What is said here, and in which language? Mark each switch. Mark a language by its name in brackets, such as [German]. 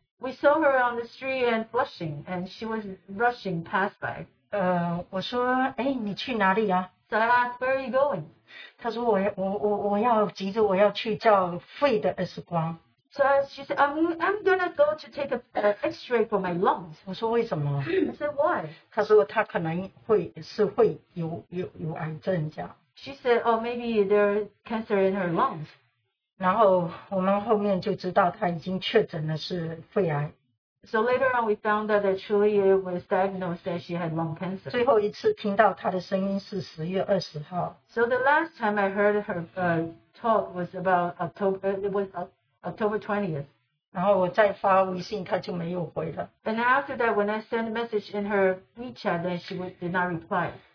[English] We saw her on the street and Flushing, and she was rushing past by. [Chinese] 我说,你去哪里啊? [English] So I asked, where are you going? [Chinese] 她说,我要急着我要去照肺的X光。 [English] So she said, I'm going to go to take an x-ray for my lungs. [Chinese] 我说,为什么? [English] I said, why? [Chinese] 她说,她可能会有癌症这样。 [English] She said, oh, maybe there's cancer in her lungs. [Chinese] 然后我们后面就知道她已经确诊了是肺癌。 [English] So later on, we found out that truly it was diagnosed that she had lung cancer. [Chinese] 最后一次听到她的声音是10月20号。 [English] So the last time I heard her talk was about October, it was October 20th. [Chinese] 然后我再发微信,她就没有回了。 [English] And after that, when I sent a message in her WeChat, then she did not reply.